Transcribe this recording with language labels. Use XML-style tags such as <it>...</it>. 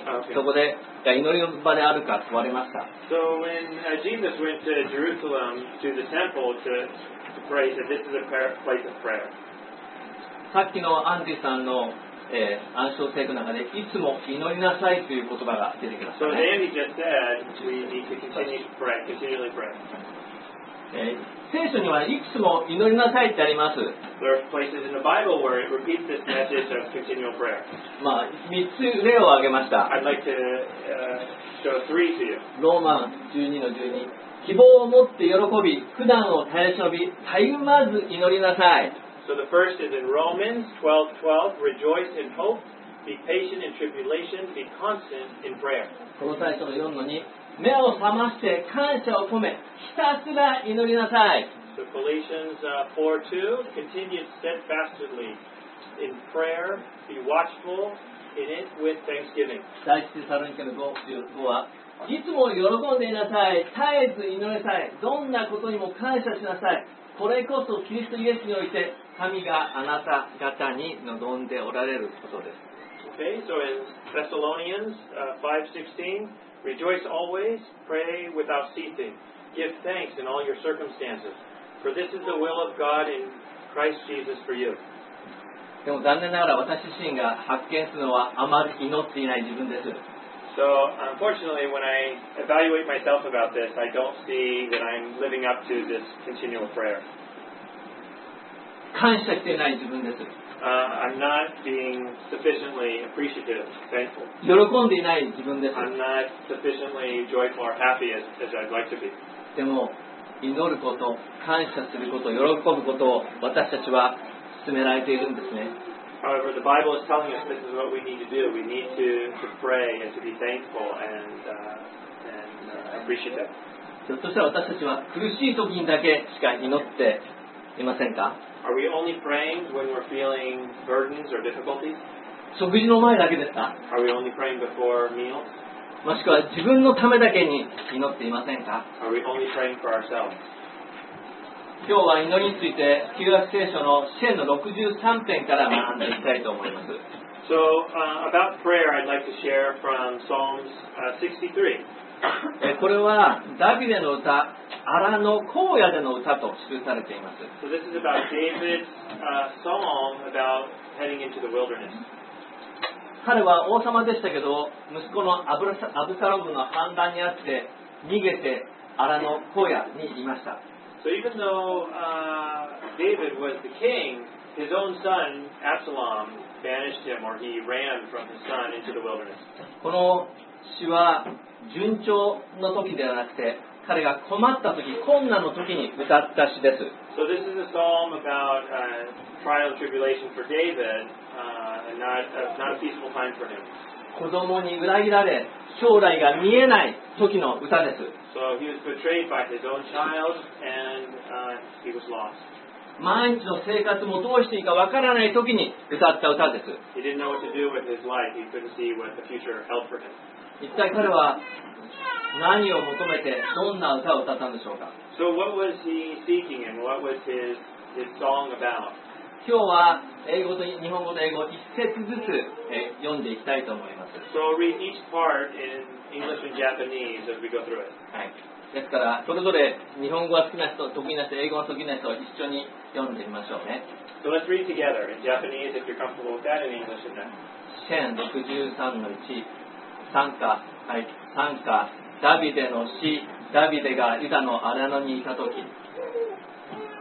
<en>okay.</en> <ja>そこで祈りの場であるか問われました。</ja> <en>So when Jesus went to Jerusalem to the temple to pray, he said this is a place of prayer.</en> <ja>さっきのアンディさんの暗唱聖句の中でいつも祈りなさいという言葉が出てきましたね。</ja> <en>So Andy just said we need to continue to pray, continually pray.</en> <ja>聖書にはいつも祈りなさいってあります。</ja> <en>There are places in the Bible where it repeats this message of continual prayer.</en> <ja>まあ3つ例を挙げました。</ja> <en>I'd like to show three to you.</en> <ja>ローマ 12-12 希望を持って喜び、苦難を耐え忍び、たゆまず祈りなさい。</ja> <en>So the first is in Romans 12:12, rejoice in hope, be patient in tribulation, be constant in prayer.</en> <ja>この最初の4の2、目を覚まして感謝を込め、ひたすら祈りなさい。</ja> <en>So Galatians 4:2, continue steadfastly in prayer, be watchful in it with thanksgiving.</en> <ja>第1テサロニケの5:5は、いつも喜んでいなさい、絶えず祈りなさい、どんなことにも感謝しなさい。これこそキリストイエスにおいて神があなた方に望んでおられることです。</ja> <en>Okay, so in Thessalonians 5:16, rejoice always, pray without ceasing, give thanks in all your circumstances, for this is the will of God in Christ Jesus for you.</en> <ja>でも残念ながら私自身が発見するのはあまり祈っていない自分です。</ja> <en>So unfortunately, when I evaluate myself about this, I don't see that I'm living up to this continual prayer.</en> <ja>感謝していない自分です。</ja> <en>I'm not being sufficiently appreciative, thankful.</en> <ja>喜んでいない自分です。</ja> <en>I'm not sufficiently joyful or happy as I'd like to be.</en> <ja>でも祈ること、感謝すること、喜ぶことを私たちは勧められているんですね。</ja> <en>However, the Bible is telling us this is what we need to do. We need to pray and to be thankful and appreciative.</en> <ja>ひょっとしたら私たちは苦しい時にだけしか祈っていませんか？</ja> <en>Are we only praying when we're feeling burdens or difficulties?</en> <ja>食事の前だけですか？</ja> <en>Are we only praying before meals?</en> <ja>もしくは自分のためだけに祈っていませんか？</ja> <en>Are we only praying for ourselves?</en> <ja>今日は祈りについて旧約聖書の詩篇の63編から学んでいきたいと思います。</ja> <en>So, about prayer, I'd like to share from Psalms 63.</en> <ja>これはダビデの歌、アラの荒野での歌と記されています。</ja> <en>So this is about David's song about heading into the wilderness.</en> <ja>彼は王様でしたけど、息子のアブサロムの反乱にあって逃げてアラの荒野にいました。</ja> <en>So even though David was the king, his own son Absalom banished him, or he ran from his son into the wilderness.</en> <ja>この詩は順調の時ではなくて、彼が困った時、困難の時に歌った詩です。</ja> <en>So this is a psalm about trial and tribulation for David, not a peaceful time for him.</en> <ja>子供に裏切られ、将来が見えない時の歌です。</ja> <en>So he was betrayed by his own child and he was lost.</en> <ja>毎日の生活もどうしていいかわからない時に歌った歌です。</ja> <en>He didn't know what to do with his life. He couldn't see what the future held for him.</en> <ja>一体彼は何を求めてどんな歌を歌ったんでしょうか。</ja> <en>So what was he seeking and what was his song about?</en> <ja>今日は英語と日本語と英語を一節ずつ読んでいきたいと思います。</ja> <en>So read each part in English and Japanese as we go through it、</en> <ja>はい、ですからそれぞれ日本語が好きな人、得意な人、英語が好きな人一緒に読んでみましょうね。</ja> <en>So let's read together in Japanese if you're comfortable with that and English and then</en> <ja>1063-1賛歌、はい、賛歌、ダビデの詩、ダビデがユダの荒野にいたとき。</ja>